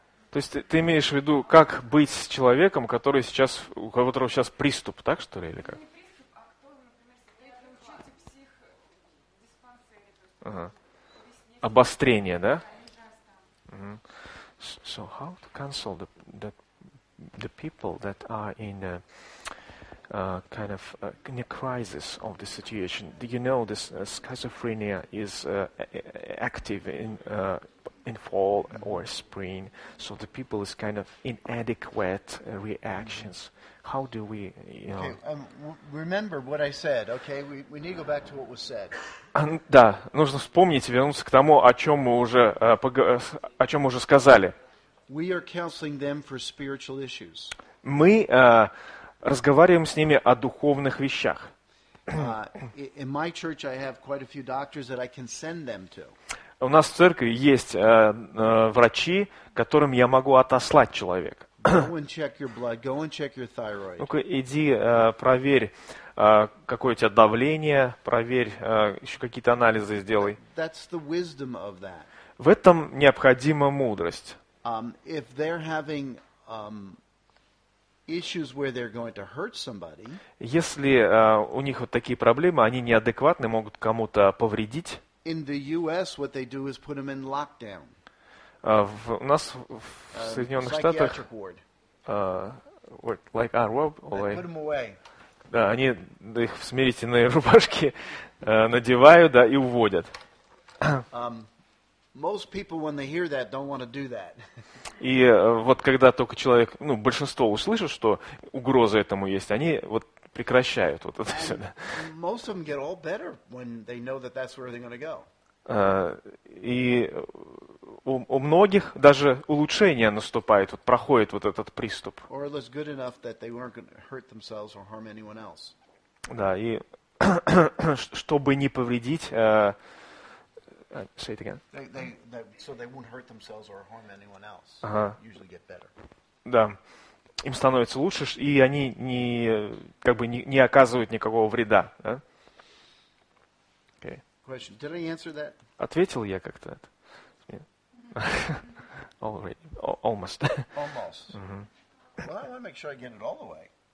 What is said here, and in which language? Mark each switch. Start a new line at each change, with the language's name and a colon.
Russian: То есть ты имеешь в виду, как быть с человеком, который сейчас, у которого сейчас приступ, так что ли, или как? Не приступ, а кто, например, учится психдиспансере. Ага. Обострение, да?
English: So how to counsel the people that are in a kind of in a crisis of the situation? Do you know this schizophrenia is active in fall or spring, so the people is kind of inadequate reactions. How do we, you know? Okay, remember what I said. Okay, we need to go back to what was said.
Russian: Да, нужно вспомнить, вернуться к тому, о чем мы уже сказали.
English: We are counseling them for spiritual issues.
Russian: Мы разговариваем с ними о духовных вещах.
English: In my church, I have quite a few doctors that I can send them to.
Russian: У нас в церкви есть врачи, которым я могу отослать человека.
English: Go and check your blood, go and check your thyroid.
Russian: Ну-ка, иди, проверь, какое у тебя давление, проверь, еще какие-то анализы сделай.
English: That's the wisdom of that.
Russian: В этом необходима мудрость.
English: If they're having issues where they're going to hurt somebody,
Russian: если у них вот такие проблемы, они неадекватны, могут кому-то повредить.
English: In the U.S., what they do is put them in lockdown.
Russian: У нас в Соединенных Штатах,
English: like our world, they put them away.
Russian: Да, они их в смирительные рубашки надевают, да, и уводят.
English: Most people, when they hear that, don't want to do that.
Russian: И вот когда только человек, ну, большинство услышит, что угроза этому есть, они вот прекращают вот это все.
English: Most of them get all better when they know that that's where they're going to go.
Russian: И у многих даже улучшение наступает, вот проходит вот этот приступ.
English: Or it was good enough that they weren't going to hurt themselves or harm anyone else.
Russian: Да, и чтобы не повредить,
English: say it again. So they won't hurt themselves or harm anyone else. Uh-huh. Usually get better.
Russian: Да. Им становится лучше, и они не, как бы не оказывают никакого вреда. Да?
English: Okay. Question. Did I answer that?
Russian: Ответил я как-то это?
English: Already. Almost. Almost. Mm-hmm. Well, I want to make sure I get it all the way.